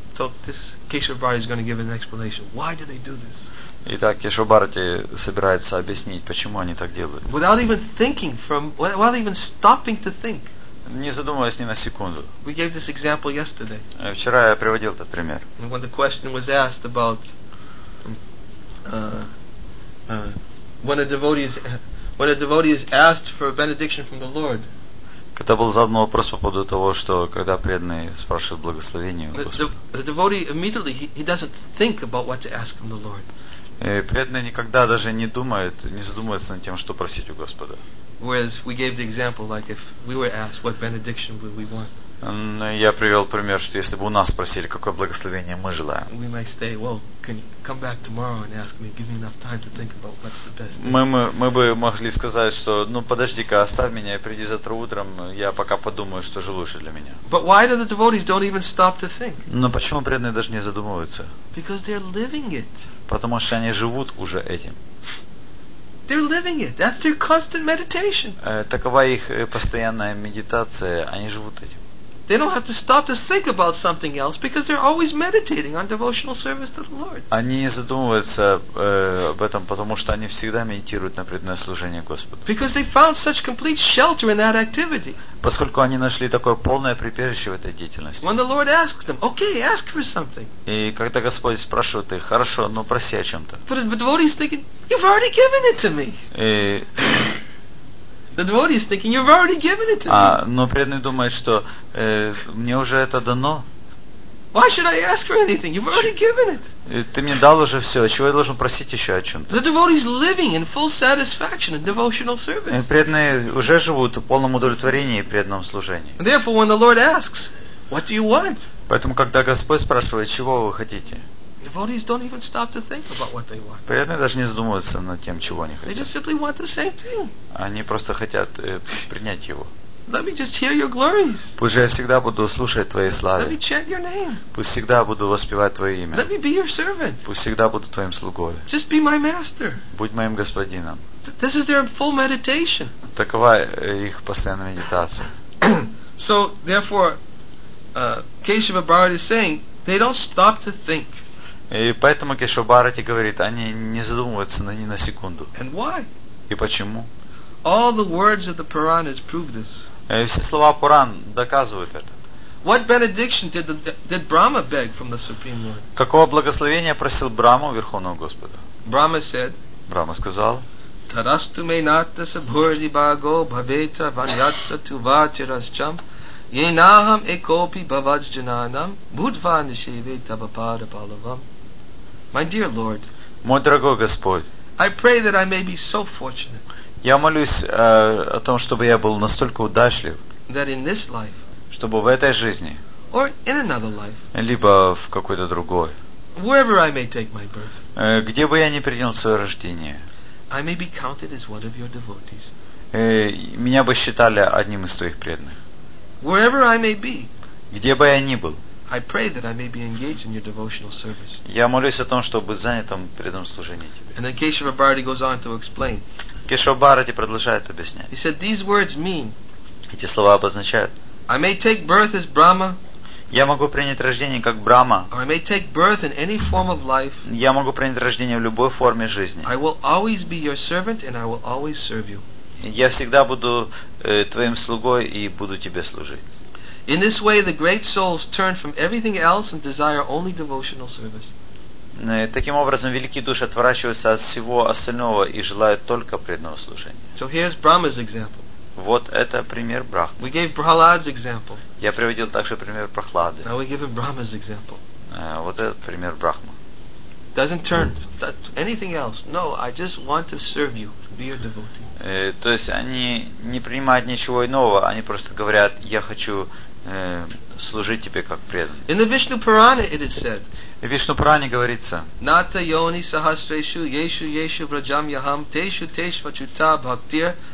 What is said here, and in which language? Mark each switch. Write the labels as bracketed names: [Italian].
[English] So this Keshava Bharati is going to give an explanation. Why do they do this? [Russian] Итак, Кешава Бхарати собирается объяснить, почему они так делают. [English] Without even thinking from, without even stopping to think. [Russian] Не задумываясь ни на секунду. [English] We gave this example yesterday. [Russian] Вчера я приводил этот пример. [English] And when the question was asked about when a devotee is asked for a benediction from the Lord. [Russian] Когда был задан вопрос по поводу того, что когда преданный спрашивает благословение у Господа. [English] The devotee immediately he doesn't think about what to ask from the Lord. [Russian] Преданный никогда даже не задумывается над тем, что просить у Господа. [English] Whereas we gave the example like if we were asked what benediction would we want. [Russian] Я привел пример, что если бы у нас спросили, какое благословение мы желаем. [English] We might say, well, can you come back tomorrow and ask me, give me enough time to think about what's the best. [Russian] Мы бы могли сказать, что ну подожди-ка, оставь меня и приди завтра утром, я пока подумаю, что же лучше для меня. [English] But why do the devotees don't even stop to think? [Russian] Но почему преданные даже не задумываются? [English] Because they're living it. [Russian] Потому что они живут уже этим. [English] They're living it. That's their constant meditation. [Russian] Такова их постоянная медитация, они живут этим. [English] They don't have to stop to think about something else because they're always meditating on devotional service to the Lord. [Russian] Они не задумываются об этом, потому что они всегда медитируют на преданное служение Господу. [English] Because they found such complete shelter in that activity. [Russian] Поскольку они нашли такое полное прибежище в этой деятельности. [English] When the Lord asks them, okay, ask for something. [Russian] И когда Господь спрашивает их, хорошо, ну проси о чем-то. [English] But the devotee is thinking, you've already given it to me. The devotee is thinking, you've already given it to me. [Russian] Но преданный думает, что мне уже это дано. [English] Why should I ask for anything? You've already given it. [Russian] Ты мне дал уже все, чего я должен просить еще о чем-то? [English] The devotee is living in full satisfaction in devotional service. [Russian] Преданные уже живут в полном удовлетворении и преданном служении. [English] Therefore, when the Lord asks, what do you want? [Russian] Поэтому, когда Господь спрашивает, чего вы хотите? [English] Devotees don't even stop to think about what they want. [Russian] Преданные даже не задумываются над тем, чего они хотят. [English] They just simply want the same thing. [Russian] Они просто хотят принять его. [English] Let me just hear your glories. [Russian] Пусть я всегда буду слушать твои славы. [English] Let me chant your name. [Russian] Пусть всегда буду воспевать твое имя. [English] Let me be your servant. [Russian] Пусть всегда буду твоим слугой. [English] Just be my master. [Russian] Будь моим господином. [English] This is their full meditation. [Russian] Такова их постоянная медитация. [English] So therefore, Keshava Bharati is saying they don't stop to think. [Russian] И поэтому Кешава Бхарати говорит, они не задумываются ни на секунду. [English] And why? [Russian] И почему? [English] All the words of the Puranas prove this. [Russian] Все слова Пуран доказывают это. [English] What benediction did Brahma beg from the Supreme Lord? [Russian] Какого благословения просил Брама у Верховного Господа? [English] Brahma said. [Russian] Брама сказал. [Sanskrit] Tadastu me nata saburi bago bhaveta vanyatsa tuva chirascham yenaham ekopi bhavajjananam budva nishiveta vapada palavam. [English] My dear Lord. [Russian] Мой дорогой Господь. [English] I pray that I may be so fortunate. [Russian] Я молюсь о том, чтобы я был настолько удачлив. [English] That in this life. [Russian] Чтобы в этой жизни, [English] or in another life, [Russian] либо в какой-то другой, [English] wherever I may take my birth, [Russian] где бы я ни принял свое рождение, [English] I may be counted as one of your devotees, [Russian] меня бы считали одним из твоих преданных. [English] Wherever I may be, [Russian] где бы я ни был, [English] I pray that I may be engaged in your devotional service. [Russian] Я молюсь о том, чтобы быть занятым преданным служением тебе. [English] And then Keshava Bharati goes on to explain. [Russian] Кешава Бхарати продолжает объяснять. [English] He said these words mean. [Russian] Эти слова обозначают. [English] I may take birth as Brahma. [Russian] Я могу принять рождение как Брама. [English] Or I may take birth in any form of life. [Russian] Я могу принять рождение в любой форме жизни. [English] I will always be your servant and I will always serve you. [Russian] Я всегда буду твоим слугой и буду тебе служить. [English] In this way the great souls turn from everything else and desire only devotional service. [Russian] Таким образом великие души отворачиваются от всего остального и желают только преданного служения. [English] So here's Brahma's example. [Russian] Вот это пример Брахмы. [English] We gave Prahlad's example. [Russian] Я приводил также пример Прохлады. [English] Now we give him Brahma's example. [Russian] Вот этот пример Брахмы. [English] Doesn't turn anything else. No, I just want to serve you, be your devotee. [Russian] То есть они не принимают ничего иного, они просто говорят, я хочу служить тебе как преданный. [English] In the Vishnu Purana it is said. [Russian] В Вишну Пуране говорится. [Sanskrit] Ната йони сахасрешу ешу ешу враджам яхам тешу тешва чута бхактир.